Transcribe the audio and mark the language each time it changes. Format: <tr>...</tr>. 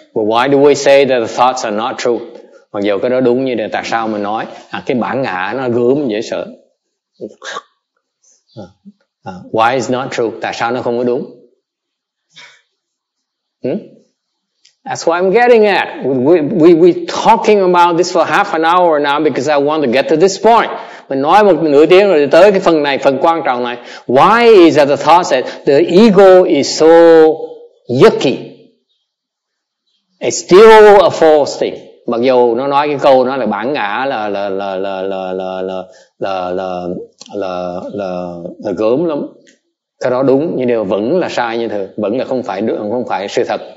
<en>But why do we say that the thoughts are not true?</en> <vi>Mặc dù cái đó đúng như thế, tại sao mình nói cái bản ngã nó gớm dễ sợ.</vi> <en>Why is not true?</en> <vi>Tại sao nó không có đúng?</vi> <en>That's what I'm getting at. We talking about this for half an hour now because I want to get to this point.</en> <vi>Mình nói một nửa tiếng rồi tới cái phần này, phần quan trọng này.</vi> <en>Why is that the thought that the ego is so yucky? It's still a false thing.</en> <vi>Mặc dù nó nói cái câu nó là bản ngã là gớm lắm, cái đó đúng nhưng điều vẫn là sai như thường, vẫn là không phải đúng, không phải sự thật.</vi>